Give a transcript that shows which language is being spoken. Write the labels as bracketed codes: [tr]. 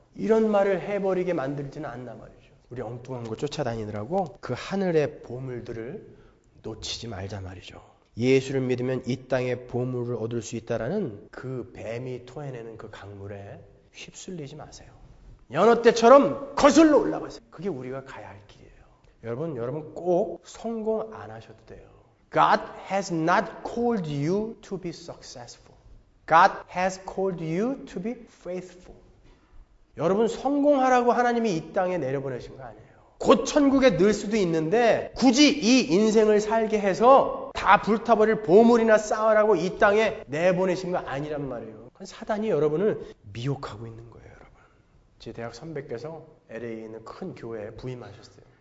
[ko] 이런 말을 해버리게 만들지는 않나 말이죠. 우리 엉뚱한 거 쫓아다니느라고 그 하늘의 보물들을 놓치지 말자 말이죠. 예수를 믿으면 이 땅의 보물을 얻을 수 있다라는 그 뱀이 토해내는 그 강물에 휩쓸리지 마세요. 연어 떼처럼 거슬러 올라가세요. 그게 우리가 가야 할 길이에요. 여러분 꼭 성공 안 하셔도 돼요. [en] God has not called you to be successful. God has called you to be faithful. [ko] 여러분 성공하라고 하나님이 이 땅에 내려보내신 거 아니에요. 곧 천국에 넣을 수도 있는데 굳이 이 인생을 살게 해서 다 불타버릴 보물이나 쌓으라고 이 땅에 내보내신 거 아니란 말이에요. 그건 사단이 여러분을 미혹하고 있는 거예요. 제 대학 선배께서 LA에 있는 큰 교회에 부임하셨어요.